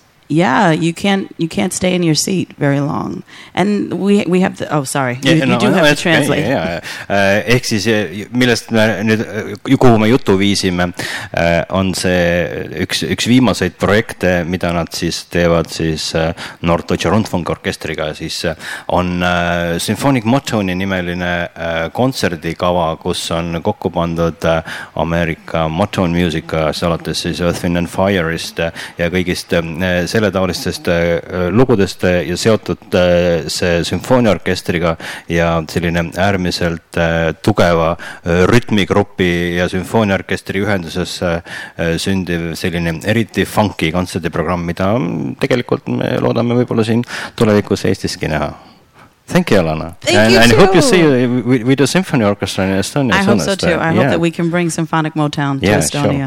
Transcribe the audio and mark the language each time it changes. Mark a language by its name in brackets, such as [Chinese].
[English] Yeah, you can't stay in your seat very long. And we have the, oh sorry, have to translate. [Estonian] Yeah, ehk siis millest me nüüd kuhu me jutu viisime, on see üks viimaseid projekte, mida nad siis teevad siis Norddeutsche Rundfunk orkestriga, siis on Symphonic Motown'i nimeline kontserdi kava, kus on kokku pandud Amerika Motown Musica, alates siis Earth, Wind and Fire'ist ja kõigist selle taolistest lugudest ja seotud see sümfooniorkestriga ja selline äärmiselt tugeva rütmigruppi ja sümfooniorkestri ühenduses sündiv selline eriti funky kontserdiprogramm, mida tegelikult me loodame võib-olla siin tulevikus Eestiski näha. [English] Thank you, Alana. Thank you too. I hope you see with the Symphony Orchestra in Estonia. I hope so too. I hope that we can bring Symphonic Motown to Estonia.